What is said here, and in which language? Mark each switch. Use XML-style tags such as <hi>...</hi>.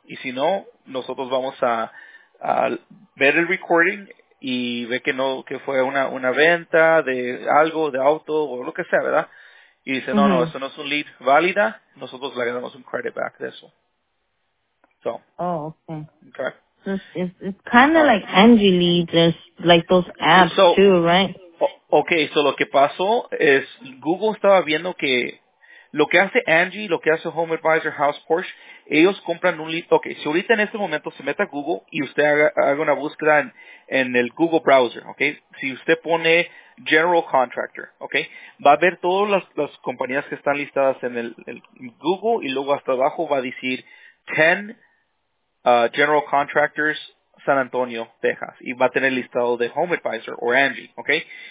<es>Y si no, nosotros vamos a ver el recording y ver que no, que fue una venta de algo, de auto o lo que sea, ¿verdad? Y dice, no, eso no es un lead válida. Nosotros le damos un credit back de eso.</es> <en>So. Oh, okay. Okay. It's kind of like Angie Leads, like those apps too, right?</en> <es>Okay, so lo que pasó es Google estaba viendo que lo que hace Angie, lo que hace Home Advisor, House Porsche, ellos compran un lead. Okay, si ahorita en este momento se mete a Google y usted haga una búsqueda en el Google Browser, okay, si usted pone General Contractor, okay, va a ver todas las compañías que están listadas en el Google y luego hasta abajo va a decir 10 General Contractors San Antonio, Texas, y va a tener listado de Home Advisor o Angie, okay.</es>